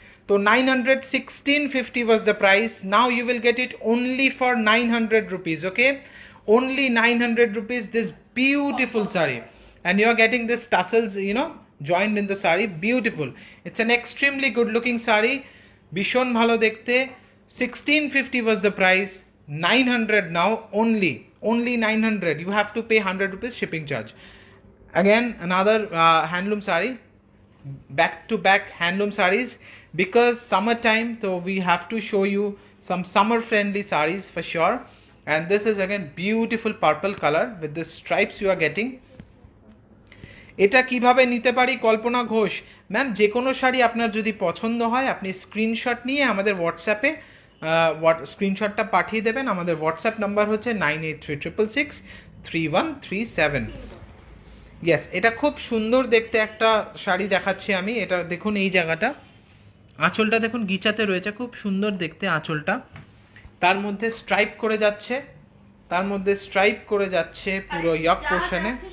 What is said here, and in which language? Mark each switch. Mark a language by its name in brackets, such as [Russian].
[English] তো 916.50 was the price, now you will get it only for 900 rupees. Okay, only 900 rupees this beautiful sari and you are getting this tassels you know joint in the sari, beautiful. It's an extremely good looking sari, [Bangla] ভীষণ ভালো দেখতে. [English] 1650 was the price, 900 now only, only 900, you have to pay 100 rupees shipping charge. Again another handloom sari, back to back handloom saris, because summer time, so we have to show you some summer friendly saris for sure. And this is again beautiful purple color with the stripes you are getting. [Bangla] এটা কিভাবে নিতে পারি কল্পনা Ghosh ma'am, যে কোনো শাড়ি আপনার যদি পছন্দ হয় আপনি স্ক্রিনশট নিয়ে আমাদের হোয়াটসঅ্যাপে স্ক্রিনশটটা পাঠিয়ে দেবেন. আমাদের হোয়াটসঅ্যাপ নাম্বার হচ্ছে 9833663137. ইয়েস এটা খুব সুন্দর দেখতে একটা শাড়ি দেখাচ্ছি আমি, এটা দেখুন এই জায়গাটা, আঁচলটা দেখুন গিচাতে রয়েছে, খুব সুন্দর দেখতে আঁচলটা, তার মধ্যে স্ট্রাইপ করে যাচ্ছে, তার মধ্যে স্ট্রাইপ করে যাচ্ছে পুরো ইয়ক পোর্শনে.